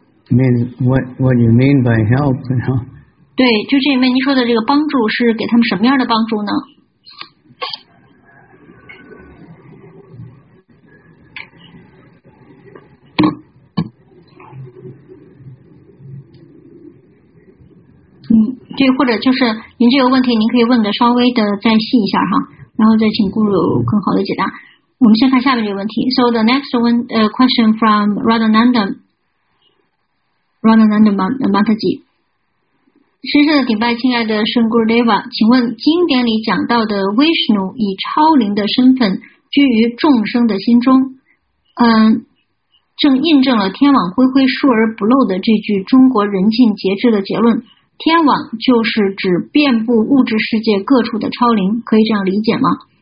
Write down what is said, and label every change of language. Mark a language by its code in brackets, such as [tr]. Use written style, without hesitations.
[en] I mean, what you mean by help, you know? [zh] 对，就是因为您说的这个帮助是给他们什么样的帮助呢？句或者就是您这个问题您可以问的稍微的再细一下哈，然后再请顾鲁更好的解答。我们先看下面这个问题。 [en] So the next one, question from Radhanandan Mataji. [zh] 深深的顶拜亲爱的圣 Gurudeva， 请问经典里讲到的 Vishnu 以超灵的身份居于众生的心中，正印证了天网恢恢疏而不漏的这句中国人尽皆知的结论，天网就是指遍布物质世界各处的超灵，可以这样理解吗？